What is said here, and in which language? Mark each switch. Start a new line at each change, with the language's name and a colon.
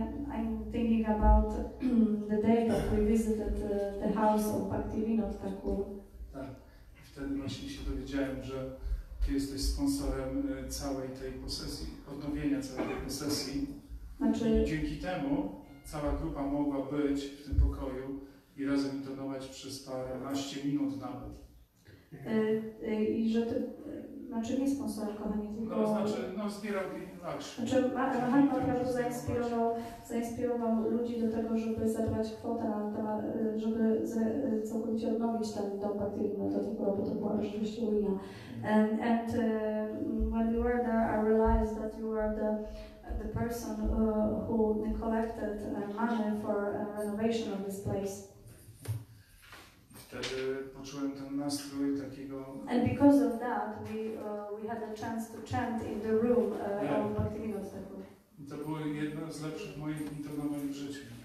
English: I'm thinking about the day that we visited the house of Bhaktivinoda Thakur.
Polish: Tak. Wtedy właśnie się dowiedziałem, że ty jesteś sponsorem całej tej posesji, odnowienia całej tej posesji. Znaczy, i dzięki temu cała grupa mogła być w tym pokoju i razem intonować przez paręnaście minut nawet. I że ty, znaczy nie sponsor kochani, tylko... No, zbierał i znaczy, Mahatma Prabhu zainspirował ludzi do tego, żeby zebrać kwotę, żeby całkowicie odnowić ten dom Bhaktivinoda Thakura, bo to była rzeczywiście ruina.
English: And when we were there, I realized that you were the person who collected money for a renovation of this place.
Polish: Wtedy poczułem ten nastrój takiego...
English: And because of that, we had a chance to chant in the room of Bhaktivinoda Thakura.
Polish: To było jedno z lepszych moich intonowań w życiu.